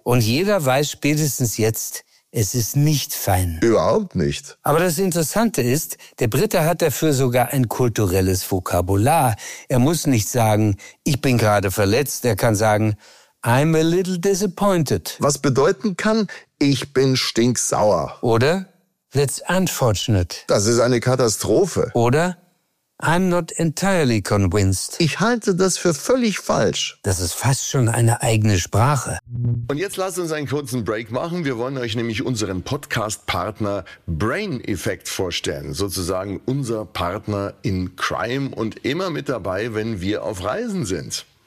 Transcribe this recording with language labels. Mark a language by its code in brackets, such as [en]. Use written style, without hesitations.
[de] Und jeder weiß spätestens jetzt, es ist nicht fein. Überhaupt nicht. Aber das Interessante ist, der Brite hat dafür sogar ein kulturelles Vokabular. Er muss nicht sagen, ich bin gerade verletzt. Er kann sagen, [en] I'm a little disappointed. [de] Was bedeuten kann, ich bin stinksauer. Oder [en] that's unfortunate. [de] Das ist eine Katastrophe. Oder [en] I'm not entirely convinced. [de] Ich halte das für völlig falsch. Das ist fast schon eine eigene Sprache. Und jetzt lasst uns einen kurzen Break machen. Wir wollen euch nämlich unseren Podcast-Partner Brain Effect vorstellen. Sozusagen unser [en] Partner in Crime [de] und immer mit dabei, wenn wir auf Reisen sind.